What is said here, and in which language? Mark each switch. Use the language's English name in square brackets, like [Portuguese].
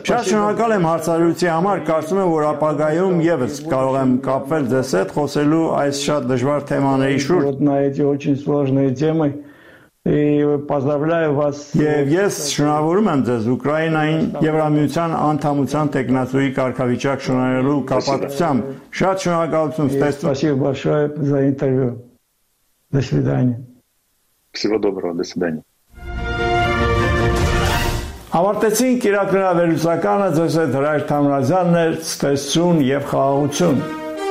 [Armenian] Շնորհակալ եմ հարցարարության համար, կարծում եմ, որ ապագայում ևս կարող եմ կապվել ձեզ հետ խոսելու այս շատ դժվար թեմաների շուրջ։ Եվ ես շնորհավորում եմ ձեզ Ուկրաինային Եվրամիության անդամության տեկնածուի կարգավիճակ շնորհելու կապակցությամբ։ Շատ շնորհակալություն, ստեսություն։ [Russian] Спасибо большое за интервью. До свидания. Всего доброго, до свидания. [Armenian] Ավարտեցինք կիրակրավերուսականը, ձեզ հետ Հրաշ Թամրազյանն էր, ստեսություն և խաղաղություն։